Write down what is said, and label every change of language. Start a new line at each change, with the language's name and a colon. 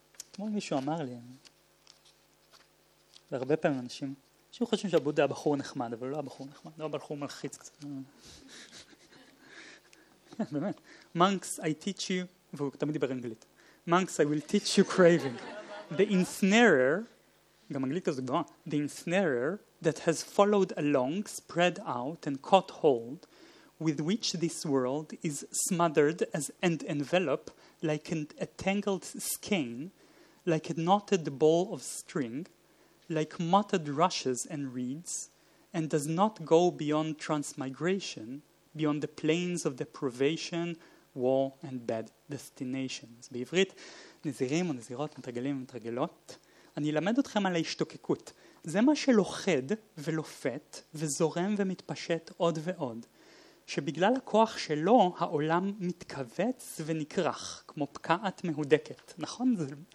Hebrew: אתמול מישהו אמר לי, והרבה פעמים אנשים, אנשים חושבים שהבודה היה בחור נחמד, אבל לא היה בחור נחמד, לא היה בחור מלחיץ קצת. באמת.
English: Monks, I teach you,
Hebrew: והוא תמיד דיבר אנגלית.
English: Monks, I will teach you craving. The ensnarer,
Hebrew: גם אנגלית כזו גדולה,
English: the ensnarer that has followed along, spread out and caught hold, with which this world is smothered as, and enveloped like an, a tangled skein, like a knotted ball of string, like matted rushes and reeds, and does not go beyond transmigration, beyond the plains of deprivation, war and bad destinations.
Hebrew: בעברית, נזירים או נזירות, מתרגלים ומתרגלות, אני אלמד אתכם על ההשתוקקות. זה מה שלוחד ולופת וזורם ומתפשט עוד ועוד, שבגלל הכוח שלו, העולם מתכווץ ונקרח, כמו פקעת מהודקת. נכון? זה...